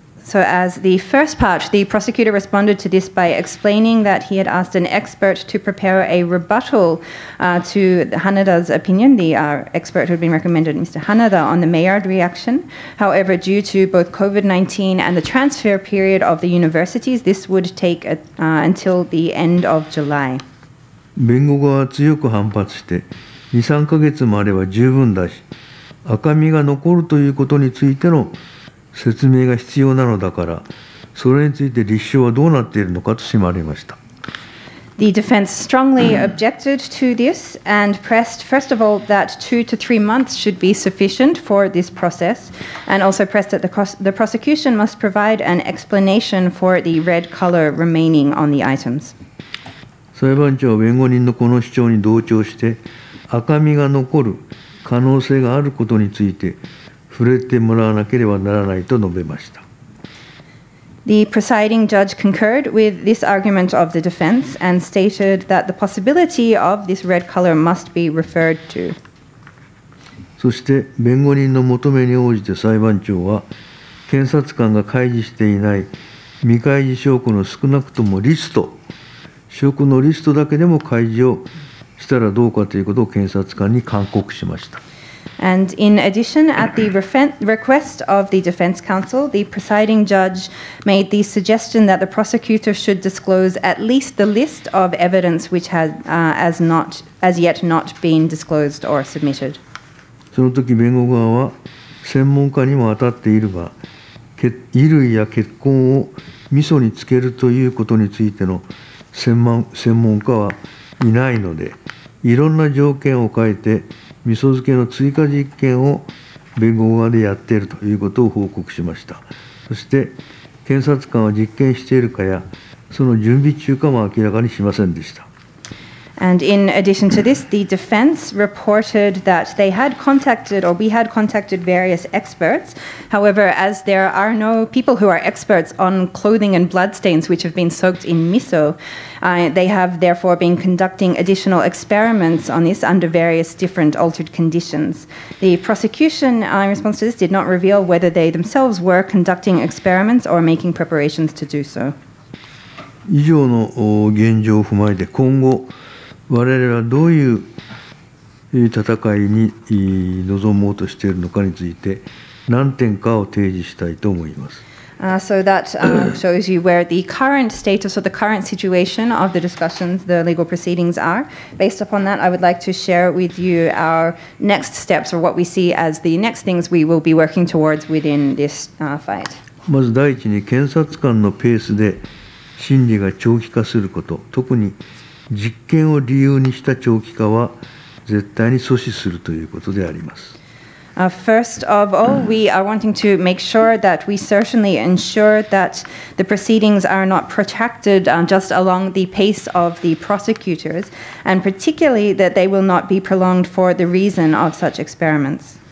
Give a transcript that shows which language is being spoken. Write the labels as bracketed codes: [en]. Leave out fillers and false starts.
[en] So as the first part, the prosecutor responded to this by explaining that he had asked an expert to prepare a rebuttal to Hanada's opinion, the expert who had been recommended, Mr. Hanada, on the Maillard reaction. However, due to both COVID-19 and the transfer period of the universities, this would take until the end of July. [ja] 弁護側は強く反発して、2、3ヶ月もあれば十分だし、赤みが残るということについての説明が必要なのだから、それについて立証はどうなっているのかと迫りました。 [en] The defense strongly objected to this and pressed, first of all, that 2 to 3 months should be sufficient for this process, and also pressed that the prosecution must provide an explanation for the red color remaining on the items. [ja] 裁判長は弁護人のこの主張に同調して、赤みが残る可能性があることについて触れてもらわなければならないと述べました。 [en] The presiding judge concurred with this argument of the defense and stated that the possibility of this red color must be referred to. [ja] そして弁護人の求めに応じて裁判長は、検察官が開示していない未開示証拠の少なくともリスト、証拠のリストだけでも開示をしたらどうかということを検察官に勧告しました。 [en] And in addition, at the request of the defense counsel, the presiding judge made the suggestion that the prosecutor should disclose at least the list of evidence which had as yet not been disclosed or submitted. [ja] その時弁護側は専門家にも当たっているが、衣類や血痕を味噌につけるということについての専門家はいないので、いろんな条件を変えて味噌漬けの追加実験を弁護側でやっているということを報告しました。そして検察官は実験しているかやその準備中かも明らかにしませんでした。 [en] And in addition to this, the defense reported that they had contacted or we had contacted various experts. However, as there are no people who are experts on clothing and bloodstains which have been soaked in miso, they have therefore been conducting additional experiments on this under various different altered conditions. The prosecution, in response to this, did not reveal whether they themselves were conducting experiments or making preparations to do so. [ja] 以上の現状を踏まえて、今後我々はどういう戦いに臨もうとしているのかについて何点かを提示したいと思います。 [en] So that shows you where the current status or the current situation of the discussions, the legal proceedings are. Based upon that, I would like to share with you our next steps or what we see as the next things we will be working towards within this fight. [ja] まず第一に検察官のペースで審理が長期化すること、特に実験を理由にした長期化は絶対に阻止するということであります。 [en] First of all, we are wanting to make sure that we certainly ensure that the proceedings are not protracted just along the pace of the prosecutors, and particularly that they will not be prolonged for the reason of such experiments.